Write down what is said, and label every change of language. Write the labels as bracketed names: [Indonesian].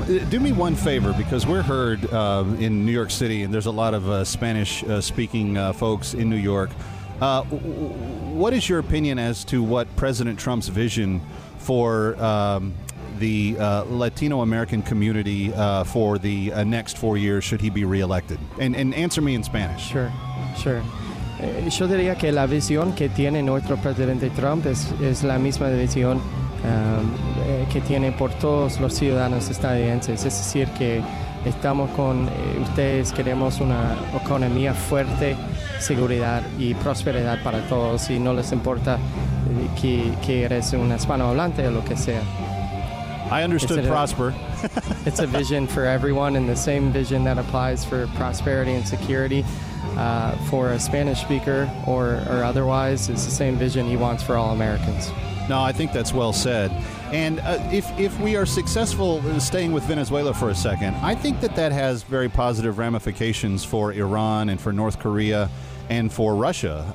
[English] Do me one favor, because we're heard in New York City, and there's a lot of Spanish-speaking folks in New York. What is your opinion as to what President Trump's vision for the Latino American community for the next 4 years, should he be reelected? And answer me in Spanish. Sure. [Spanish] Yo diría que la visión que tiene nuestro presidente Trump es la misma visión que tiene por todos los ciudadanos estadounidenses. Es decir, que estamos con ustedes, queremos una economía fuerte, seguridad y prosperidad para todos, y no les importa que eres un hispanohablante o lo que sea. [English] I understood prosper. It's a vision for everyone, and the same vision that applies for prosperity and security for a Spanish speaker or otherwise is the same vision he wants for all Americans. No, I think that's well said. And if we are successful staying with Venezuela for a second, I think that has very positive ramifications for Iran and for North Korea and for Russia.